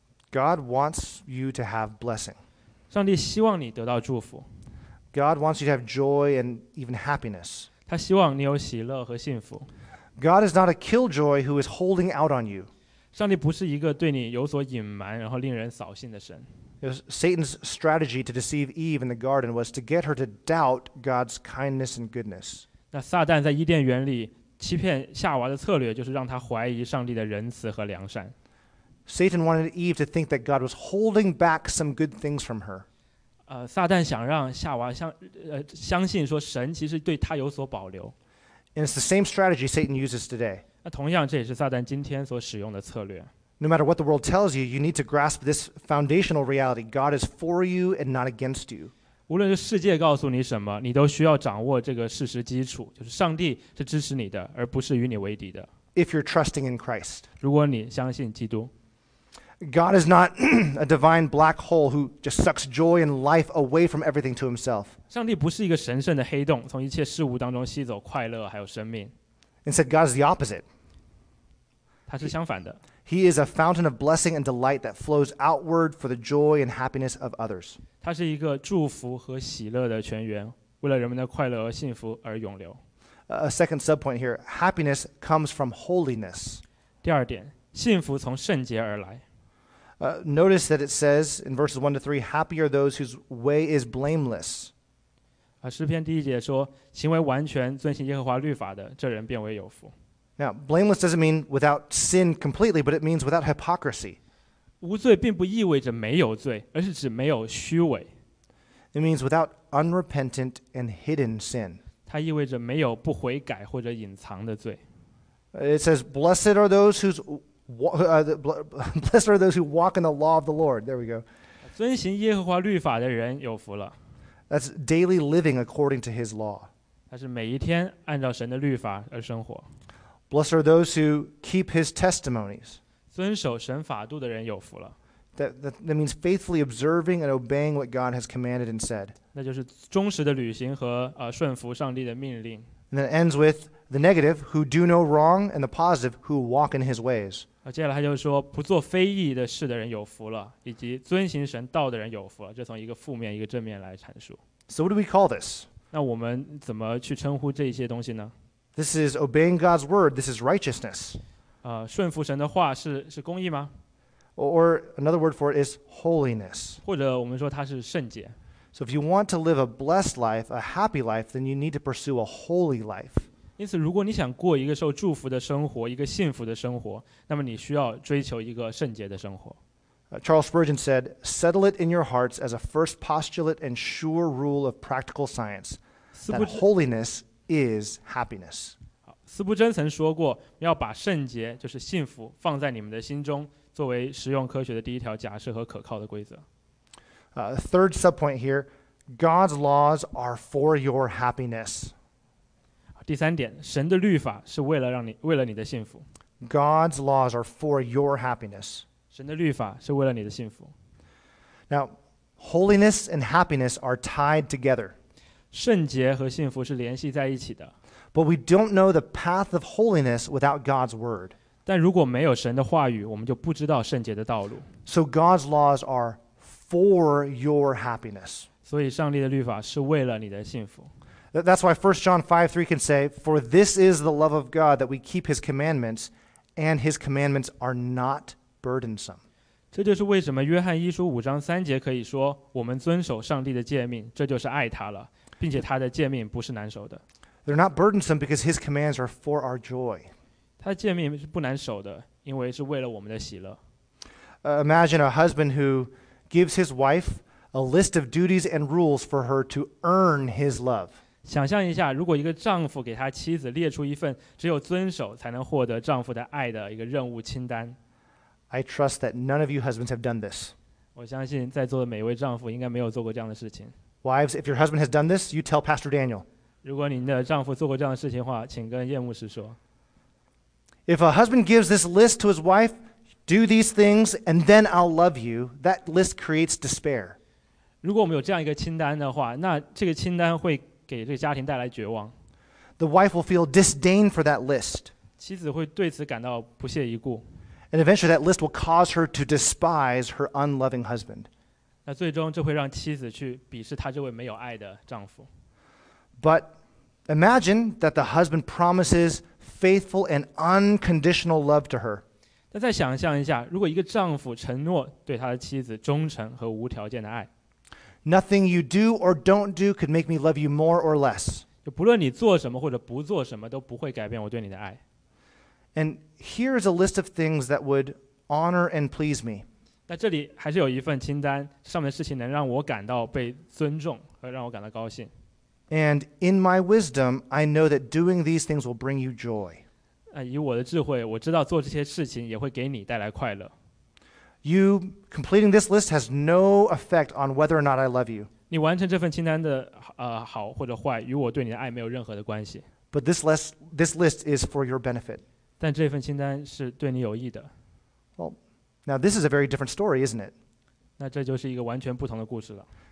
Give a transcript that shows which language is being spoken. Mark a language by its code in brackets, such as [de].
[en] God wants you to have blessing. [zh] 上帝希望你得到祝福。 [en] God wants you to have joy and even happiness. [zh] 他希望你有喜乐和幸福。 [en] God is not a killjoy who is holding out on you. [zh] 上帝不是一个对你有所隐瞒然后令人扫兴的神。 [en] Satan's strategy to deceive Eve in the garden was to get her to doubt God's kindness and goodness. [zh] 那撒旦在伊甸园里欺骗夏娃的策略就是让她怀疑上帝的仁慈和良善。 [en] Satan wanted Eve to think that God was holding back some good things from her. [zh] 撒旦想让夏娃相信说神其实对她有所保留。 [en] And it's the same strategy Satan uses today. [zh] 那同样这也是撒旦今天所使用的策略。 [en] No matter what the world tells you, you need to grasp this foundational reality. God is for you and not against you. [zh] 无论是世界告诉你什么，你都需要掌握这个事实基础，就是上帝是支持你的，而不是与你为敌的。 [en] If you're trusting in Christ. [zh] 如果你相信基督。 [en] God is not a divine black hole who just sucks joy and life away from everything to himself. [zh] 上帝不是一个神圣的黑洞，从一切事物当中吸走快乐还有生命。 [en] Instead, God is the opposite. [zh] 他是相反的。 [en] He is a fountain of blessing and delight that flows outward for the joy and happiness of others. [zh] 它是一个祝福和喜乐的泉源，为了人们的快乐和幸福而涌流。 [en] A second subpoint here, happiness comes from holiness. [zh] 第二点，幸福从圣洁而来。 [en] Notice that it says in verses 1-3, happy are those whose way is blameless. [zh] 诗篇第一节说，行为完全遵行耶和华律法的，这人便为有福。 [en] Now, blameless doesn't mean without sin completely, but it means without hypocrisy. [zh] 无罪并不意味着没有罪，而是指没有虚伪。 [en] It means without unrepentant and hidden sin. [zh] 它意味着没有不悔改或者隐藏的罪。 [en] It says, blessed are those who's, blessed are those who walk in the law of the Lord. There we go. [zh] 遵行耶和华律法的人有福了。 [en] That's daily living according to his law. [zh] 它是每一天按照神的律法而生活。 [en] Blessed are those who keep his testimonies. [zh] 遵守神法度的人有福了。 [en] That means faithfully observing and obeying what God has commanded and said. [zh] 那就是忠实的履行和顺服上帝的命令。 [en] And then it ends with the negative, who do no wrong, and the positive, who walk in his ways. [zh] 接下来他就说，不做非义的事的人有福了，以及遵行神道的人有福了。这从一个负面一个正面来阐述。 [en] So what do we call this? [zh] 那我们怎么去称呼这些东西呢？ [en] This is obeying God's word. This is righteousness. [zh] 顺服神的话是公义吗？ [en] Or another word for it is holiness. [zh] 或者我们说它是圣洁。 [en] So if you want to live a blessed life, a happy life, then you need to pursue a holy life. [zh] 因此如果你想过一个受祝福的生活，一个幸福的生活，那么你需要追求一个圣洁的生活。 [en] Charles Spurgeon said, "Settle it in your hearts as a first postulate and sure rule of practical science that holiness is happiness." [zh] 斯布珍曾说过，要把圣洁，就是幸福，放在你们的心中，作为实用科学的第一条假设和可靠的规则。 [en] Third subpoint here, God's laws are for your happiness. [zh] 第三点，神的律法是为了让你，为了你的幸福。 [en] God's laws are for your happiness. [zh] 神的律法是为了你的幸福。 [en] Now, holiness and happiness are tied together. [zh] 圣洁和幸福是联系在一起的。 [en] But we don't know the path of holiness without God's word. [zh] 但如果没有神的话语，我们就不知道圣洁的道路。 [en] So God's laws are for your happiness. [zh] 所以上帝的律法是为了你的幸福。 [en] That's why 1 John 5:3 can say, "For this is the love of God, that we keep his commandments, and his commandments are not burdensome." [zh] 这就是为什么约翰一书五章三节可以说，我们遵守上帝的诫命，这就是爱他了，并且他的诫命不是难守的。 [en] They're not burdensome because his commands are for our joy. [zh] 他的诫命是不难守的，因为是为了我们的喜乐。 [en] Imagine a husband who gives his wife a list of duties and rules for her to earn his love. [zh] 想象一下，如果一个丈夫给他妻子列出一份只有遵守才能获得丈夫的爱的一个任务清单。 [en] I trust that none of you husbands have done this. [zh] 我相信在座的每一位丈夫应该没有做过这样的事情。 [en] Wives, if your husband has done this, you tell Pastor Daniel. [zh] 如果您的丈夫做过这样的事情的话，请跟叶牧师说。 [en] If a husband gives this list to his wife, "Do these things, and then I'll love you," that list creates despair. [zh] 如果我们有这样一个清单的话，那这个清单会给这个家庭带来绝望。 [en] The wife will feel disdain for that list. [zh] 妻子会对此感到不屑一顾。 [en] And eventually that list will cause her to despise her unloving husband. [zh] 那最终这会让妻子去鄙视她这位没有爱的丈夫。 [en] But imagine that the husband promises faithful and unconditional love to her. [zh] 那再想象一下，如果一个丈夫承诺对他的妻子忠诚和无条件的爱。 [en] Nothing you do or don't do could make me love you more or less. [zh] 就不论你做什么或者不做什么，都不会改变我对你的爱。 [en] And here is a list of things that would honor and please me. [zh] 那这里还是有一份清单，上面的事情能让我感到被尊重和让我感到高兴。 [en] And in my wisdom, I know that doing these things will bring you joy. [zh] 以我的智慧，我知道做这些事情也会给你带来快乐。 [en] You completing this list has no effect on whether or not I love you. [zh] 你完成这份清单的好或者坏，与我对你的爱没有任何的关系。 [en] But this list is for your benefit. [zh] 但这份清单是对你有益的。 [en] Well, now this is a very different story, isn't it? [zh] 那这就是一个完全不同的故事了。